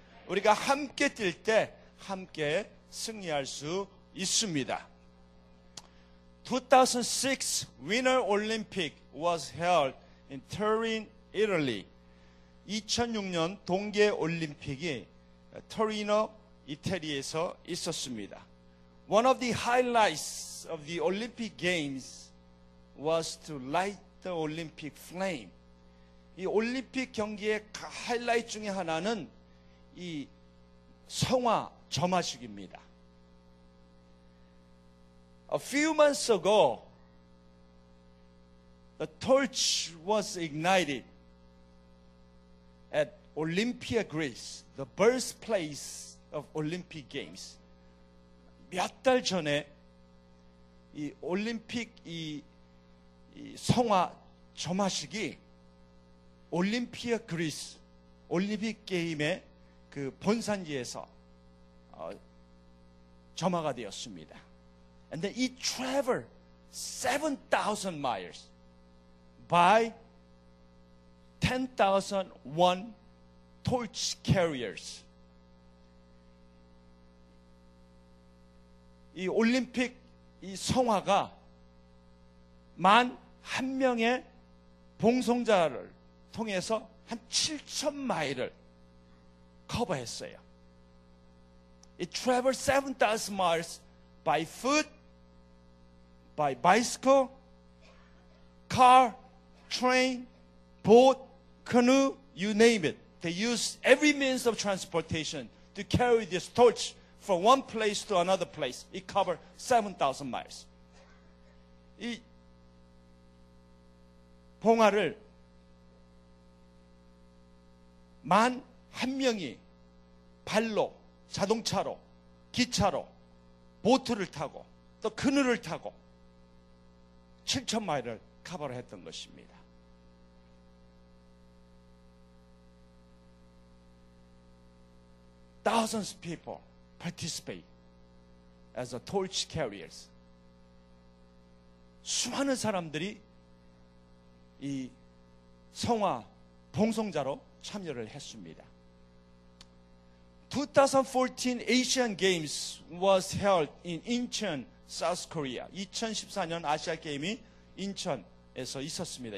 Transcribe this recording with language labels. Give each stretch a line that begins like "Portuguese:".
Korean: 우리가 함께 뛸 때 함께 승리할 수 있습니다.
English: 2006 Winter Olympic was held in Turin, Italy.
Korean: 2006년 동계 올림픽이 토리노 이태리에서 있었습니다.
English: One of the highlights of the Olympic Games was to light the Olympic flame.
Korean: 이 올림픽 경기의 하이라이트 중에 하나는 이 성화 점화식입니다.
English: A few months ago, the torch was ignited at Olympia, Greece, the birthplace of Olympic Games.
Korean: 몇 달 전에 이 올림픽 이 성화 점화식이 올림피아 그리스 올림픽 게임의 그 본산지에서 점화가 되었습니다.
English: And then it traveled 7,000 miles by 10,001 torch carriers.
Korean: 이 올림픽 이 성화가 만 한 명의 봉송자를 통해서 한 7천 마일을 커버했어요.
English: It traveled 7,000 miles by foot, by bicycle, car, train, boat, canoe, you name it. They used every means of transportation to carry this torch from one place to another place. It covered 7,000 miles.
Korean: 이 봉화를 만 한 명이 발로, 자동차로, 기차로, 보트를 타고, 또 그늘을 타고 7천 마일을 커버를 했던 것입니다.
English: Thousands of people participate as a torch carriers.
Korean: 수많은 사람들이 이 성화 봉송자로 참여를 했습니다.
English: 2014 Asian Games was held in Incheon, South Korea.
Korean: 2014년 아시아 게임이 인천에서 있었습니다.